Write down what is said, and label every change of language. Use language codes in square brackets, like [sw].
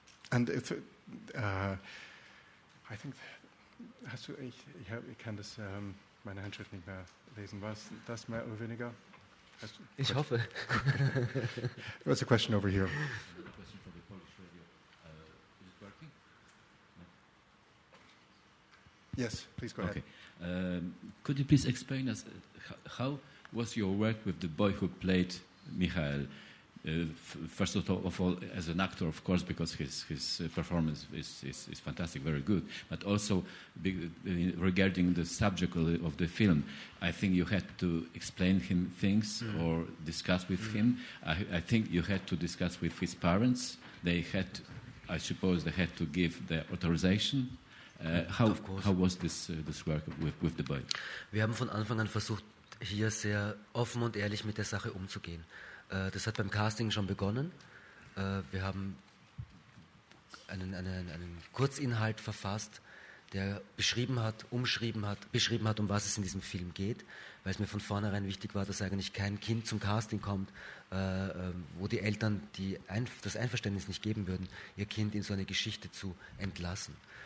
[en] And if I think [de] hast du ich kann das meine Handschrift nicht mehr lesen, was das mehr oder weniger hast du, ich hoffe. [en] What's the question over here? Yes, please go okay. Ahead. Could you please explain us how was your work with the boy who played Michael? First of all, as an actor, of course, because his performance is fantastic, very good. But also regarding the subject of the film, I think you had to explain him things or discuss with him. I think you had to discuss with his parents. I suppose they had to give the authorization. How was this work with the boy? [de] Wir haben von Anfang an versucht, hier sehr offen und ehrlich mit der Sache umzugehen. Das hat beim Casting schon begonnen. Wir haben einen Kurzinhalt verfasst, der beschrieben hat, um was es in diesem Film geht, weil es mir von vornherein wichtig war, dass eigentlich kein Kind zum Casting kommt, wo die Eltern das Einverständnis nicht geben würden, ihr Kind in so eine Geschichte zu entlassen.